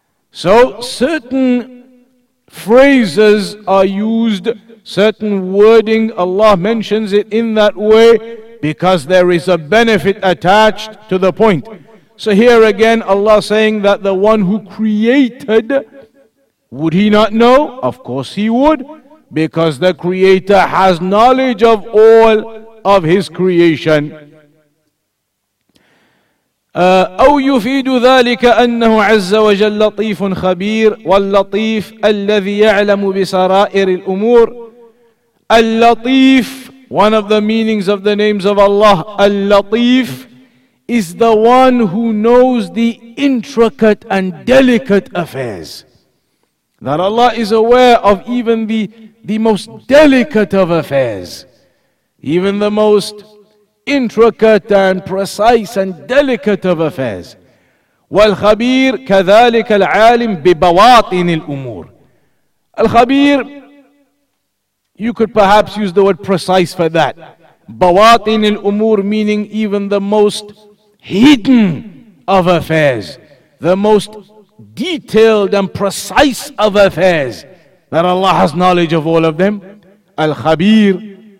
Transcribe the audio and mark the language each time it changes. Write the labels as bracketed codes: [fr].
[en] So certain phrases are used, certain wording, Allah mentions it in that way because there is a benefit attached to the point. So here again, Allah saying that the one who created, would he not know? Of course he would, because the creator has knowledge of all of his creation. [ar] أو يفيد ذلك أنه عز وجل لطيف خبير واللطيف الذي يعلم بسرائر الأمور. [en] اللطيف, one of the meanings of the names of Allah, اللطيف is the one who knows the intricate and delicate affairs. That Allah is aware of even the most delicate of affairs, even the most intricate and precise and delicate of affairs. [ar] والخبير كذلك العالم ببواطن الأمور. [en] الخبير, you could perhaps use the word precise for that. [ar] بواطن الأمور [en] meaning even the most hidden of affairs, the most detailed and precise of affairs, that Allah has knowledge of all of them. Al-Khabir.